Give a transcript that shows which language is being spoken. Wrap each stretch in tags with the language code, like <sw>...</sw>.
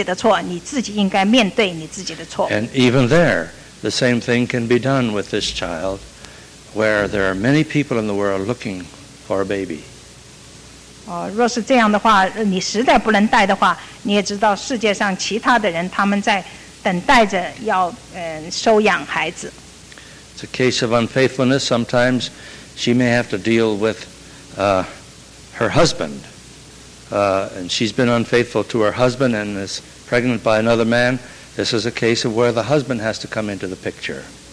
<zh>那关于避孕失败的缘故呢，那一定是你自己在吃药或者在控制的时候是你的错。若是是你自己的错，你自己应该面对你自己的错。</zh> <en>And even there, the same thing can be done with this child, where there are many people in the world looking for a baby.</en> <zh>若是这样的话，你实在不能带的话，你也知道世界上其他的人他们在等待着要,</zh> <en>It's a case of unfaithfulness. Sometimes she may have to deal with her husband. And she's been unfaithful to her husband and is pregnant by another man. This is a case of where the husband has to come into the picture.</en>